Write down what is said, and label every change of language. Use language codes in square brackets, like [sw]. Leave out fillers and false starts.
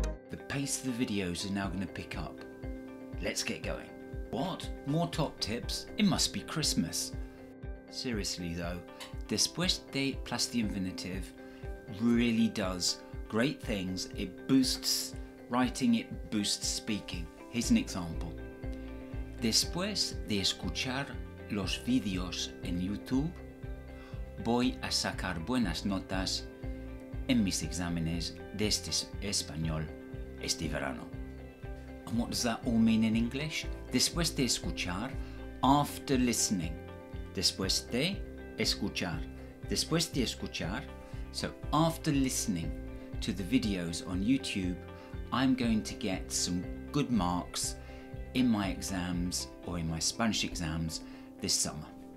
[en] The pace of the videos are now going to pick up. Let's get going. What? More top tips? It must be Christmas. Seriously though, [es] Después de [en] plus the infinitive really does great things. It boosts writing, it boosts speaking. Here's an example. [es] Después de escuchar los videos en YouTube, voy a sacar buenas notas en mis exámenes de español este verano. [en] And what does that all mean in English? [es] Después de escuchar, [en] after listening. [es] Después de escuchar. Después de escuchar. [en] So after listening to the videos on YouTube, I'm going to get some good marks in my exams or in my Spanish exams this summer.